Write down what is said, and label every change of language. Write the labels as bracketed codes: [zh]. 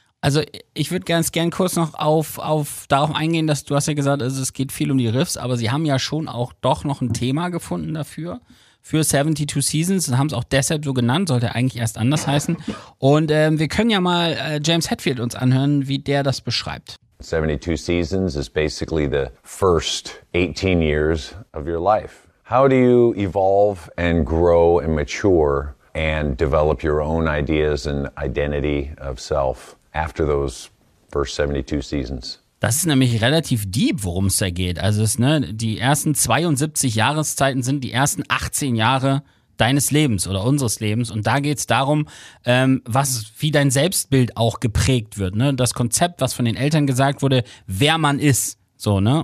[de] Also ich würde ganz gern kurz noch darauf eingehen, dass du hast ja gesagt, also es geht viel um die Riffs, aber sie haben ja schon auch doch noch ein Thema gefunden dafür, für 72 Seasons, haben es auch deshalb so genannt, sollte eigentlich erst anders heißen. Und wir können ja mal James Hetfield uns anhören, wie der das beschreibt. [en] 72 Seasons is basically the first 18 years of your life. How do you evolve and grow and mature and develop your own ideas and identity of self after those first 72 seasons? [de] Das ist nämlich relativ deep, worum es da geht. Also es, ne, die ersten 72 Jahreszeiten sind die ersten 18 Jahre deines Lebens oder unseres Lebens. Und da geht es darum, wie dein Selbstbild auch geprägt wird. Ne? Das Konzept, was von den Eltern gesagt wurde, wer man ist. So, ne?